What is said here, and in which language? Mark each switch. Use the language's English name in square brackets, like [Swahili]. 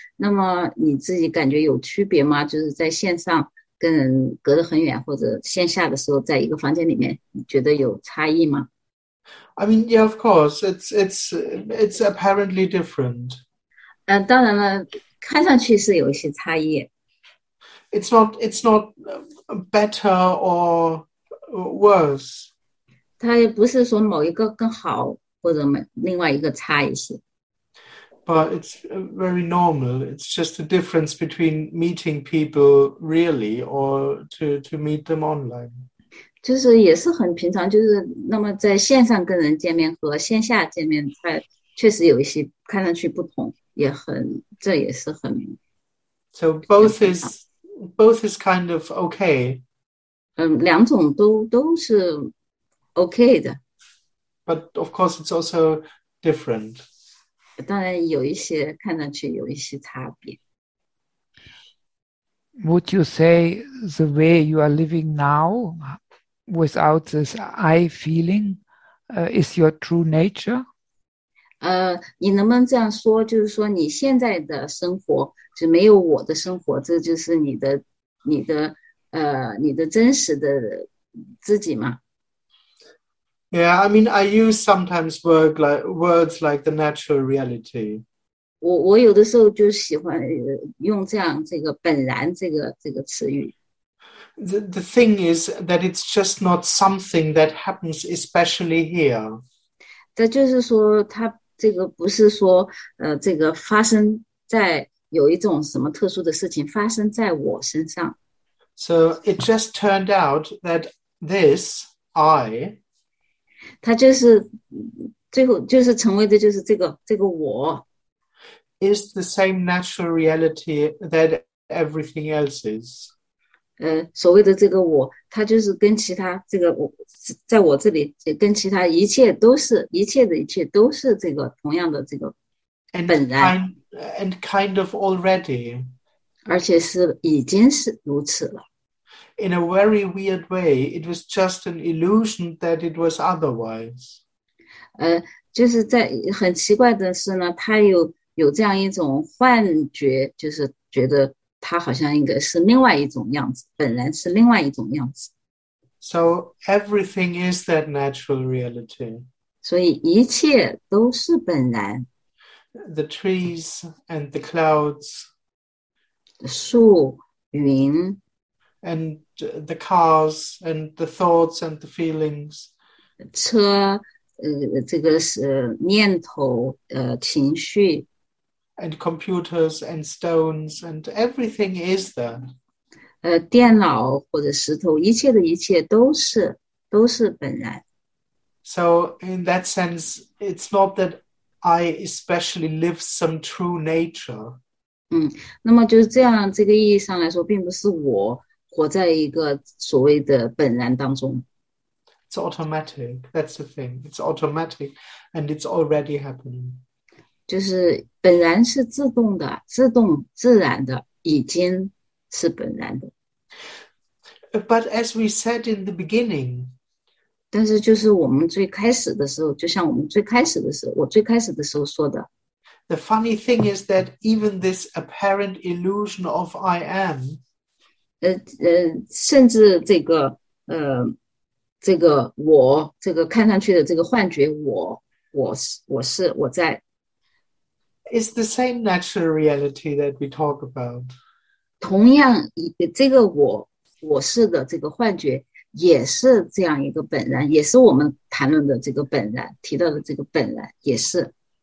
[Chinese] 那么你自己感觉有区别吗？就是在线上跟人隔得很远，或者线下的时候在一个房间里面，你觉得有差异吗 [English] ？I mean, yeah, of course, it's apparently different. [Chinese] 当然了，看上去是有一些差异。 [English] It's not better or worse. [Chinese] 它也不是说某一个更好或者另外一个差一些。 [English] But it's very normal. It's just a difference between meeting people really or to meet them online. [Chinese] 就是也是很平常，就是那么在线上跟人见面和线下见面，它确实有一些看上去不同，也很这也是很。 [English] So both is. Both is kind of okay. [Chinese] 两种都是 okay 的。 [English] But of course, it's also different. [Chinese] 当然有一些看上去有一些差别。 [English] Would you say the way you are living now, without this I feeling, is your true nature? [Chinese] 你能不能这样说？就是说你现在的生活。就没有我的生活，这就是你的你的真实的自己吗？ [English] Yeah, I mean, I use sometimes words like the natural reality. [Chinese] 我有的时候就喜欢用这样这个本然这个词语。 [English] The thing is that it's just not something that happens especially here. [Chinese] 这就是说它这个不是说这个发生在有一种什么特殊的事情发生在我身上。 [English] So it just turned out that this, I, [Chinese] 它就是最后就是成为的就是这个我 [English] is the same natural reality that everything else is. [Chinese] 所谓的这个我它就是跟其他这个我在我这里跟其他一切都是一切的一切都是这个同样的这个本然 [English] and kind of already. [Chinese] 而且是已经是如此了。 [English] In a very weird way, it was just an illusion that it was otherwise. [Chinese] 就是在很奇怪的是呢，他有这样一种幻觉，就是觉得他好像应该是另外一种样子，本来是另外一种样子。 [English] So everything is that natural reality. [Chinese] 所以一切都是本然。 [English] The trees and the clouds. [Chinese] 树云。 [English] And the cars and the thoughts and the feelings. [Chinese] 车，这个是念头，情绪。 [English] And computers and stones and everything is there. [Chinese] 电脑或者石头，一切的一切都是本然。 [English] So in that sense, it's not that I especially live some true nature. [Chinese] 那么就是这样，这个意义上来说，并不是我。活在一个所谓的本然当中。 [English] It's automatic, that's the thing. It's automatic and it's already happening. [Chinese] 就是本然是自动的，自动自然的，已经是本然的。 [English] But as we said in the beginning, [Chinese] 但是就是我们最开始的时候，就像我们最开始的时候，我最开始的时候说的。 [English] The funny thing is that even this apparent illusion of I am, [Chinese] 甚至这个我这个看上去的这个幻觉我是我在 [English] ，is the same natural reality that we talk about. [Chinese] 同样，这个我是的这个幻觉也是这样一个本然，也是我们谈论的这个本然提到的这个本然也是